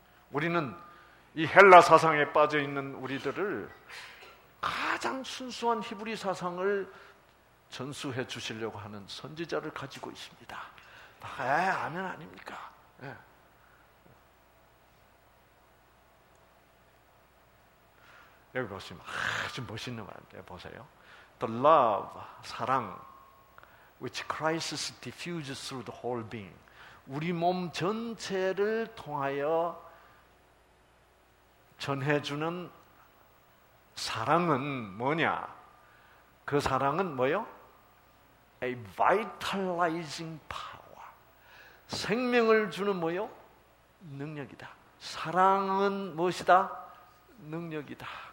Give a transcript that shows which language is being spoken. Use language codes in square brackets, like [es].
[ko] 우리는 이 헬라 사상에 빠져 있는 우리들을 가장 순수한 히브리 사상을 전수해 주시려고 하는 선지자를 가지고 있습니다. 에, 아멘 아닙니까? 예. 여기 보시면 아주 멋있는 말인데 보세요. [en] The love, 사랑, which Christ diffuses through the whole being. [ko] 우리 몸 전체를 통하여 전해주는 사랑은 뭐냐? 그 사랑은 뭐요? [en] A vitalizing power. [ko] 생명을 주는 뭐요? 능력이다. 사랑은 무엇이다? 능력이다.